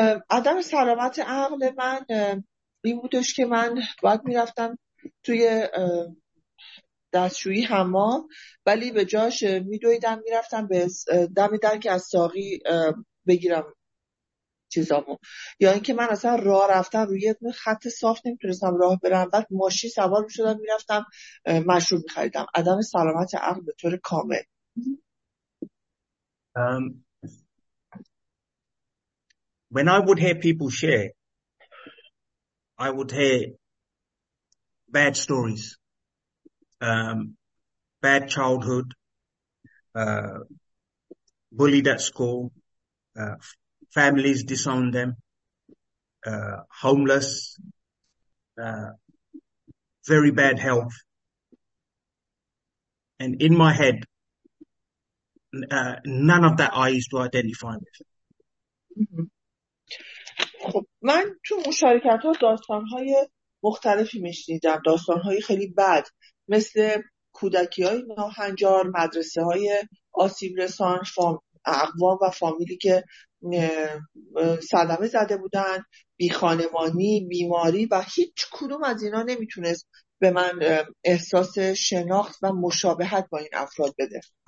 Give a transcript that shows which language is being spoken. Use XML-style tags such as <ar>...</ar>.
<fa>عدم سلامت عقل من این بودش که من باید میرفتم توی دستشویی حمام، ولی به جاش میدویدم میرفتم به دم در که از ساقی بگیرم چیزامو، یا یعنی اینکه من اصلا راه رفتم روی خط صاف نمیتونستم راه برم، بعد ماشین سوار میشدم میرفتم مشروب میخریدم. عدم سلامت عقل به طور کامل.</fa> <en>When I would hear people share, I would hear bad stories, bad childhood, bullied at school, families disowned them, homeless, very bad health. And in my head, none of that I used to identify with.</en> <fa>خب من تو مشارکت ها داستان های مختلفی میشنیدم، داستان های خیلی بد مثل کودکی های ناهنجار، مدرسه های آسیب رسان، اقوام و فامیلی که صدمه زده بودن، بی خانمانی، بیماری، و هیچ کدوم از اینا نمیتونست به من احساس شناخت و مشابهت با این افراد بده.</fa>